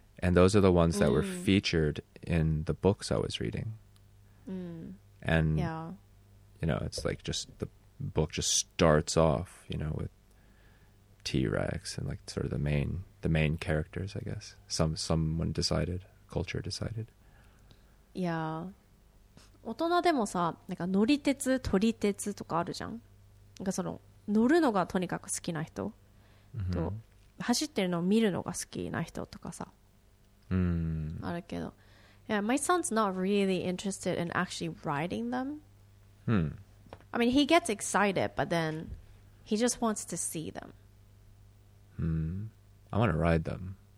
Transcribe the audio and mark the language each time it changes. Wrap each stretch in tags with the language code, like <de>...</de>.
<en>And those are the ones that were featured in the books I was reading. And, you know, it's like just the book just starts off, you know, with T-Rex and like sort of the main characters, I guess. Someone decided, culture decided. Yeah.</en> <ja>大人でもさ、なんか乗り鉄、撮り鉄とかあるじゃん。なんかその乗るのがとにかく好きな人と、走ってるのを見るのが好きな人とかさ。あるけど、</ja> <en>yeah, my son's not really interested in actually riding them. I mean, he gets excited, but then he just wants to see them. I want to ride them.</en>